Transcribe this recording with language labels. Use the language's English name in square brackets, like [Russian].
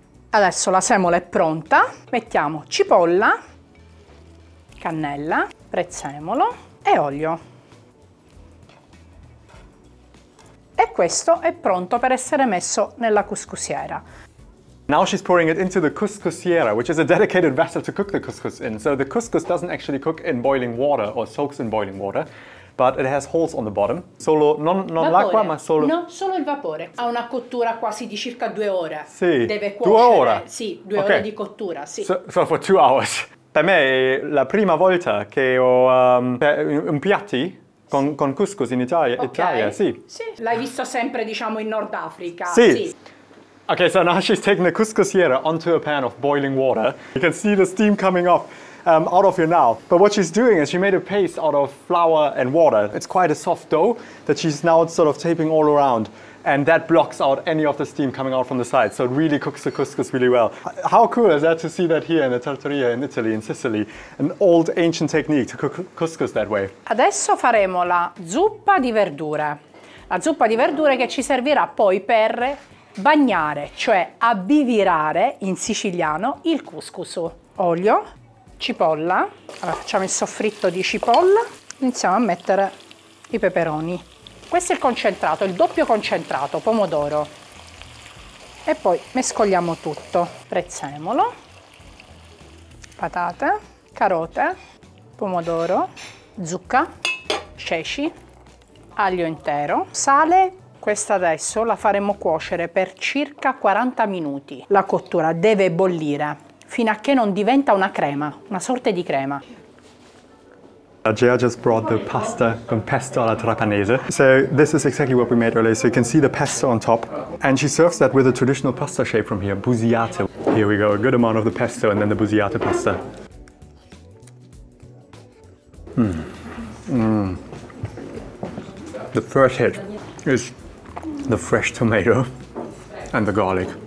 [Italian] Adesso la semola è pronta. Mettiamo cipolla, cannella, prezzemolo e olio. E questo è pronto per essere messo nella couscousiera. [English] Now she's pouring it into the couscousiera, which is a dedicated vessel to cook the couscous in. So the couscous doesn't actually cook in boiling water or soaks in boiling water, but it has holes on the bottom. [Italian] Solo non l'acqua, ma solo... No, solo il vapore. Ha una cottura quasi di circa 2 ore. Sì. Deve cuocere. 2 ore? Sì, due okay. ore di cottura, sì. [English] So for 2 hours. [Italian] Per me è la prima volta che ho un piatti con couscous in Italia. [English] Okay. [Italian] Italia, sì. Sì. L'hai visto sempre, diciamo, in Nord Africa. [English] Sì. Okay, so now she's taking the couscousiera onto a pan of boiling water. You can see the steam coming off out of here now. But what she's doing is she made a paste out of flour and water. It's quite a soft dough that she's now sort of taping all around. And that blocks out any of the steam coming out from the side. So it really cooks the couscous really well. How cool is that to see that here in the trattoria in Italy, in Sicily? An old ancient technique to cook couscous that way. [Italian] Adesso faremo la zuppa di verdure. La zuppa di verdure che ci servirà poi per bagnare, cioè avvivirare in siciliano il couscous. Olio, cipolla, allora facciamo il soffritto di cipolla, iniziamo a mettere i peperoni. Questo è il concentrato, il doppio concentrato, pomodoro. E poi mescoliamo tutto. Prezzemolo, patate, carote, pomodoro, zucca, ceci, aglio intero, sale. Questa adesso la faremo cuocere per circa 40 minuti. La cottura deve bollire fino a che non diventa una crema, una sorta di crema. [English] Gia just brought the pasta con pesto alla Trapanese. So this is exactly what we made earlier. So you can see the pesto on top. And she serves that with a traditional pasta shape from here, Busiate. Here we go, a good amount of the pesto and then the Busiate pasta. The first hit is the fresh tomato and the garlic.